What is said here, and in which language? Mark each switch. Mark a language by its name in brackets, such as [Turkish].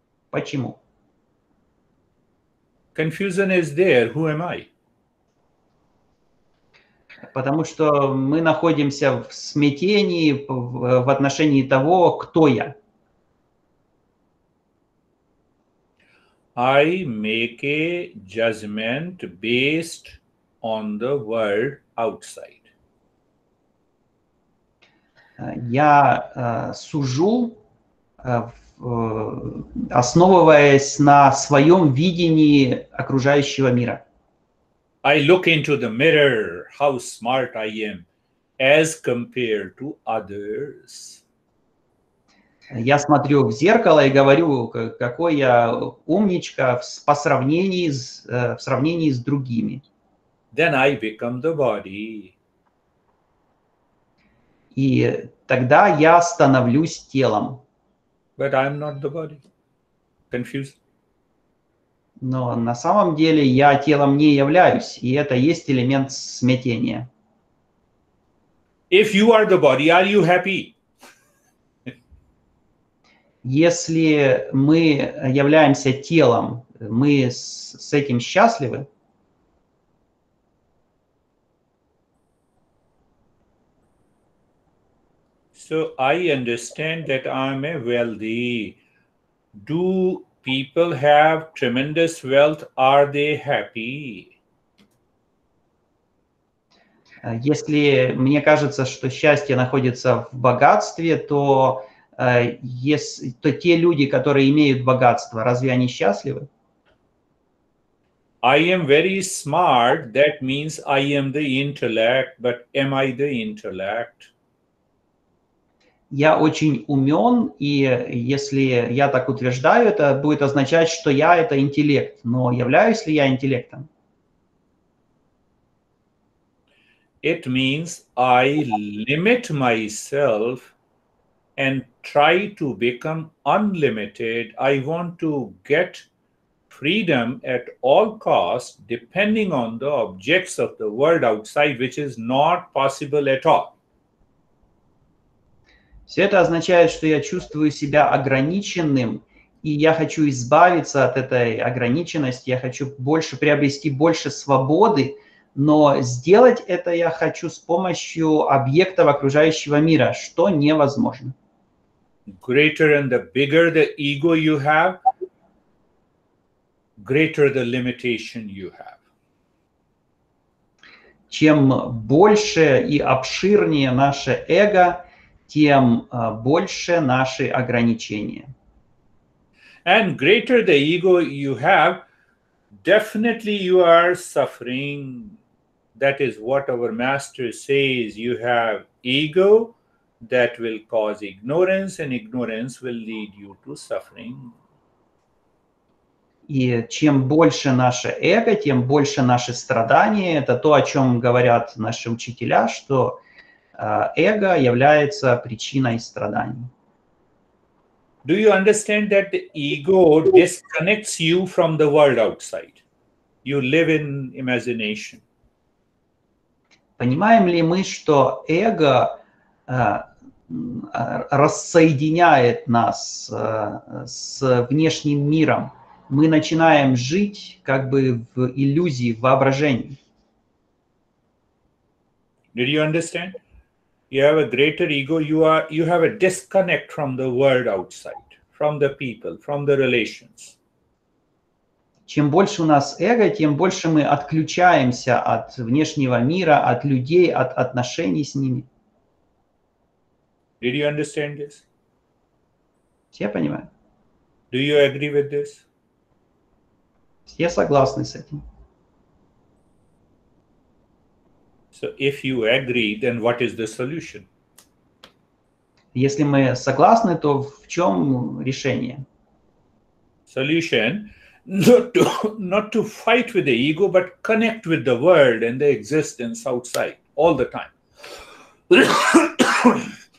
[Russian] Почему? [English] Confusion is there. Who am I? [Russian] Потому что мы находимся в смятении в отношении того, кто я. [English] I make a judgment based on the world outside. [Russian] Я сужу, основываясь на своем видении окружающего мира. [English] I look into the mirror, how smart I am, as compared to others. [Russian] Я смотрю в зеркало и говорю, какой я умничка в сравнении с другими. [English] Then I become the body. [Russian] И тогда я становлюсь телом. [English] But I'm not the body. Confused. [Russian] Но на самом деле я телом не являюсь, и это есть элемент смятения. [English] If you are the body, are you happy? [Russian] Если мы являемся телом, мы с этим счастливы? [English] So I understand that I'm a wealthy. Do people have tremendous wealth? Are they happy? [Russian] Если мне кажется, что счастье находится в богатстве, то то те люди, которые имеют богатство, разве они счастливы? [English] I am very smart. That means I am the intellect. But am I the intellect? [Russian] Я очень умен, и если я так утверждаю, это будет означать, что я это интеллект. Но являюсь ли я интеллектом? [English] It means I limit myself and try to become unlimited. I want to get freedom at all costs, depending on the objects of the world outside, which is not possible at all. [Russian] Все это означает, что я чувствую себя ограниченным, и я хочу избавиться от этой ограниченности, я хочу больше приобрести больше свободы, но сделать это я хочу с помощью объектов окружающего мира, что невозможно. [English] Greater and the bigger the ego you have, greater the limitation you have. [Russian] Чем больше и обширнее наше эго, тем больше наши ограничения. [English] And greater the ego you have, definitely you are suffering. That is what our master says. You have ego that will cause ignorance, and ignorance will lead you to suffering. [Russian] И чем больше наше эго, тем больше наши страдания. Это то, о чем говорят наши учителя, что эго является причиной страданий. [English] Do you understand that the ego disconnects you from the world outside? You live in imagination. [Russian] Понимаем ли мы, что эго рассоединяет нас с внешним миром? Мы начинаем жить как бы в иллюзии, в воображении. [English] Did you understand? You have a greater ego, you have a disconnect from the world outside, from the people, from the relations. [Russian] Чем больше у нас эго, тем больше мы отключаемся от внешнего мира, от людей, от отношений с ними. [English] Did you understand this? [Russian] Все понимают? [English] Do you agree with this? [Russian] Все согласны с этим. [English] So if you agree, then what is the solution? [Russian] Если мы согласны, то в чем решение? [English] Solution not to fight with the ego, but connect with the world and the existence outside all the time.